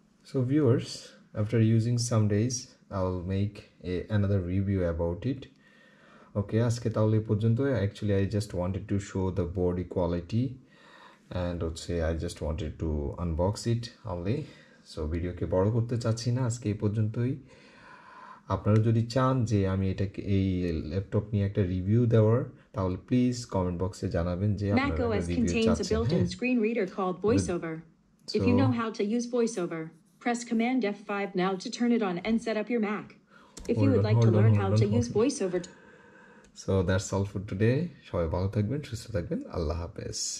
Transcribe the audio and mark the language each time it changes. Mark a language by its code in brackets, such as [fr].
[en] So viewers, after using some days, I'll make another review about it. Okay, [bn] ajke tahole porjonto. [en] Actually, I just wanted to show the body quality, and let's say I just wanted to unbox it only. [bn] So video ke boro korte chaichi na ajke porjontoi. আপনারা যদি চান যে আমি এটাকে এই laptop নিয়ে একটা review দেওয়ার তাহলে প্লিজ কমেন্ট বক্সে জানাবেন যে আপনারা রিভিউ চাচ্ছেন [en] MacOS contains a built-in screen reader called VoiceOver. If you know how to use VoiceOver, press Command F5 now to turn it on and set up your Mac. If you would like to learn how to use VoiceOver. [bn] So that's all for today. সবাই ভালো থাকবেন সুস্থ থাকবেন আল্লাহ হাফেজ.